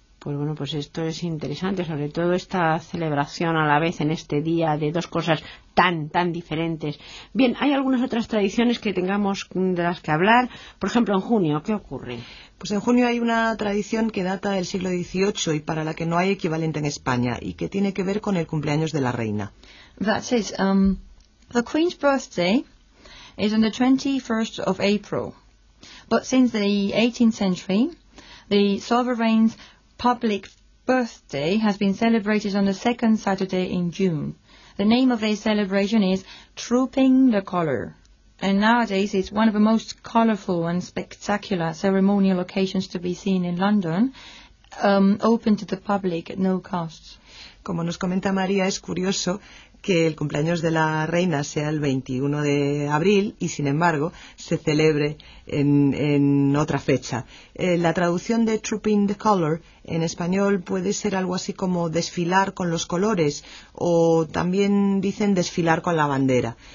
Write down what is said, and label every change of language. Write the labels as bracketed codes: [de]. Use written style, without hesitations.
[es] Pues bueno, pues esto es interesante, sobre todo esta celebración a la vez en este día de dos cosas tan, tan diferentes. Bien, hay algunas otras tradiciones que tengamos de las que hablar. Por ejemplo, en junio, ¿qué ocurre? Pues en junio hay una tradición que data del siglo XVIII y para la que no hay equivalente en España y que tiene que ver con el cumpleaños de la reina. [en] That is, the Queen's birthday is on the 21st of April. But since the 18th century, the sovereign's public birthday has been celebrated on the second Saturday in June. The name of their celebration is Trooping the Colour, and nowadays it's one of the most colourful and spectacular ceremonial occasions to be seen in London, open to the public at no cost. [es] Como nos comenta María, es curioso que el cumpleaños de la reina sea el 21 de abril y, sin embargo, se celebre en otra fecha. La traducción de Trooping the Colour en español puede ser algo así como desfilar con los colores o también dicen desfilar con la bandera.